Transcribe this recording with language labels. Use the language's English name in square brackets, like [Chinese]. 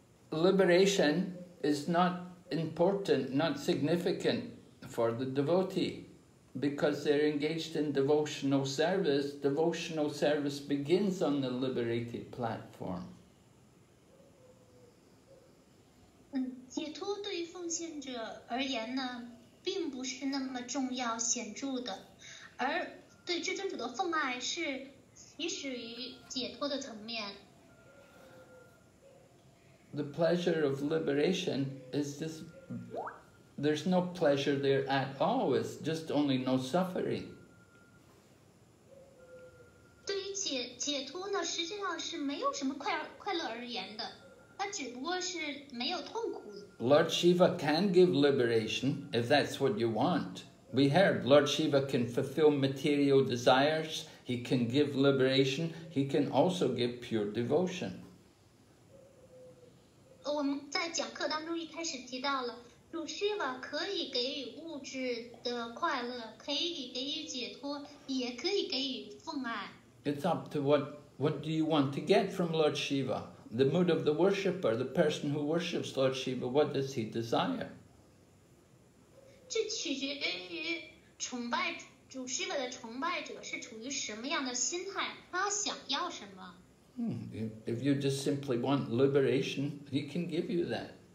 [English] Liberation is not important, not significant for the devotee. Because they're engaged in devotional service, devotional service begins on the liberated platform. [Chinese] 解脱对于奉献者而言呢，并不是那么重要显著的，而对至尊主的奉爱是起始于解脱的层面。 [English] The pleasure of liberation is just, there's no pleasure there at all, it's just only no suffering. [Chinese] 对于 解脱呢，实际上是没有什么 快乐而言的，它只不过是没有痛苦。 [English] Lord Shiva can give liberation if that's what you want. We heard Lord Shiva can fulfill material desires, he can give liberation, he can also give pure devotion. [Chinese] 我们在讲课当中一开始提到了，鲁西瓦可以给予物质的快乐，可以给予解脱，也可以给予奉爱。 [English] It's up to what do you want to get from Lord Shiva? The mood of the worshipper, the person who worships Lord Shiva, what does he desire? [Chinese] 这取决于崇拜主 Shiva 的崇拜者是处于什么样的心态，他想要什么。 [English] If you just simply want liberation, he can give you that.